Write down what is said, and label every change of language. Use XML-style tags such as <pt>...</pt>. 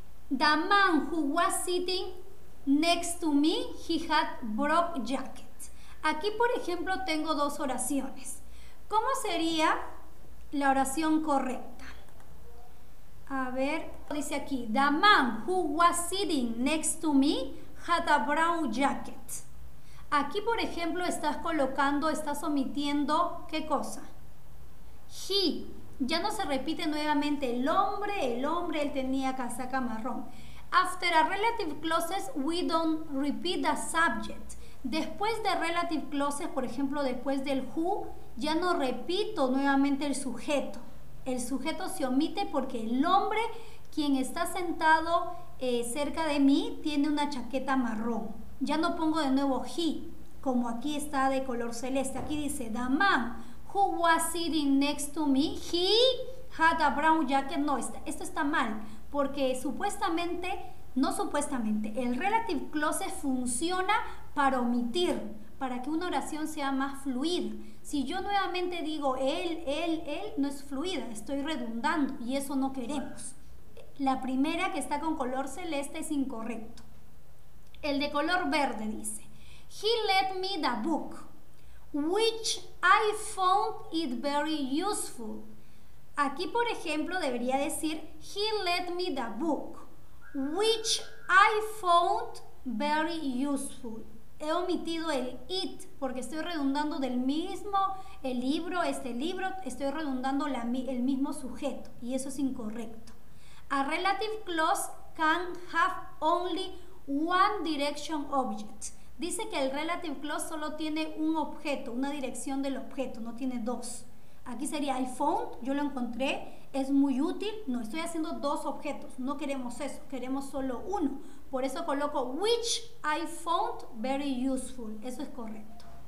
<en>The man who was sitting next to me, he had broke jacket.</en> <es>Aquí, por ejemplo, tengo dos oraciones. ¿Cómo sería la oración correcta? A ver, dice aquí,</es> <en>the man who was sitting next to me had a brown jacket.</en> <es>Aquí, por ejemplo, estás colocando, estás omitiendo, ¿qué cosa? He, ya no se repite nuevamente, el hombre, él tenía casaca marrón.</es> <en>After a relative clauses, we don't repeat the subject.</en> <es>Después de relative clauses, por ejemplo, después del who, ya no repito nuevamente el sujeto. El sujeto se omite porque el hombre, quien está sentado cerca de mí, tiene una chaqueta marrón. Ya no pongo de nuevo he, como aquí está de color celeste. Aquí dice,</es> <en>the man who was sitting next to me, he had a brown jacket.</en> <es>No, esto está mal, porque supuestamente, no supuestamente, el relative clause funciona para omitir, para que una oración sea más fluida. Si yo nuevamente digo él, no es fluida, estoy redundando y eso no queremos. La primera que está con color celeste es incorrecto. El de color verde dice,</es> <en>he lent me the book, which I found it very useful.</en> <es>Aquí, por ejemplo, debería decir,</es> <en>he lent me the book, which I found very useful.</en> <es>He omitido el it porque estoy redundando del mismo el libro, este libro, estoy redundando el mismo sujeto y eso es incorrecto.</es> <en>A relative clause can have only one direction object.</en> <es>Dice que el relative clause solo tiene un objeto, una dirección del objeto, no tiene dos. Aquí sería</es> <en>I found,</en> <es>yo lo encontré, es muy útil. No, estoy haciendo dos objetos, no queremos eso, queremos solo uno. Por eso coloco</es> <en>which I found very useful.</en> <es>Eso es correcto.</es>